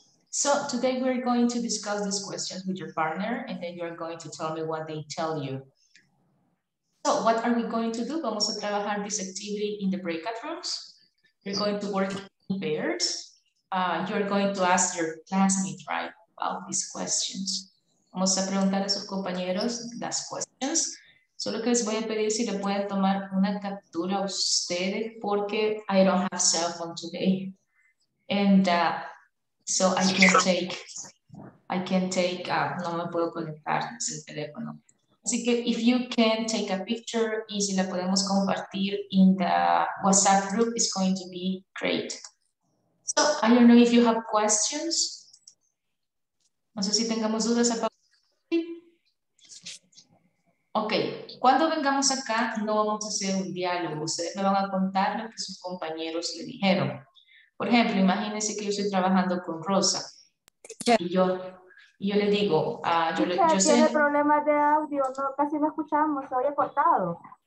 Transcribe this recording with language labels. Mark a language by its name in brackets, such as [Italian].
[English] So today we're going to discuss these questions with your partner and then you're going to tell me what they tell you. So what are we going to do? [Spanish] Vamos a trabajar [English] this activity in the breakout rooms. You're going to work in pairs. You're going to ask your classmates, right, about these questions. [Spanish] Vamos a preguntar a sus compañeros las questions. Solo que les voy a pedir si le pueden tomar una captura a ustedes porque [English] I don't have cell phone today. And so [Spanish] no me puedo conectar sin teléfono. Así que [English] if you can take a picture [Spanish] y si la podemos compartir [English] in the WhatsApp group, it's going to be great. So I don't know if you have questions. [Spanish] No sé si tengamos dudas about. Ok, cuando vengamos acá no vamos a hacer un diálogo, ustedes me van a contar lo que sus compañeros le dijeron. Por ejemplo, imagínense que yo estoy trabajando con Rosa y yo le digo, tiene problemas de audio, no, casi no escuchamos, se había cortado.